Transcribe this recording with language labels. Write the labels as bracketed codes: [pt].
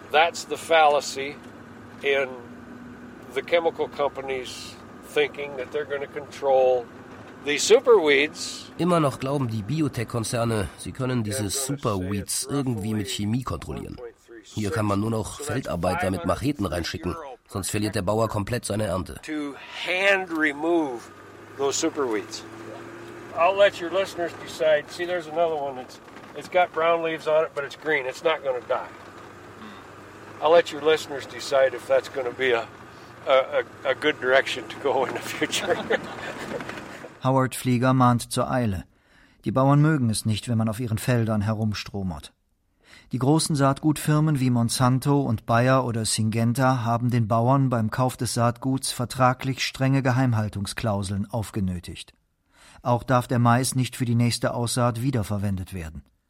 [en] That's the fallacy in the chemical companies thinking that they're going to control the superweeds. [de] Immer noch glauben die Biotech-Konzerne, sie können diese Superweeds irgendwie mit Chemie kontrollieren. Hier kann man nur noch Feldarbeiter mit Macheten reinschicken, sonst verliert der Bauer komplett seine Ernte. [en] To hand remove those superweeds. I'll let your listeners decide. See, there's another one. It's got brown leaves on it, but it's green. It's not going to die. I'll let your listeners decide if that's going to be a good direction to go in the future. [de] Howard Flieger mahnt zur Eile. Die Bauern mögen es nicht, wenn man auf ihren Feldern herumstromert. Die großen Saatgutfirmen wie Monsanto und Bayer oder Syngenta haben den Bauern beim Kauf des Saatguts vertraglich strenge Geheimhaltungsklauseln aufgenötigt. Auch darf der Mais nicht für die nächste Aussaat wiederverwendet werden.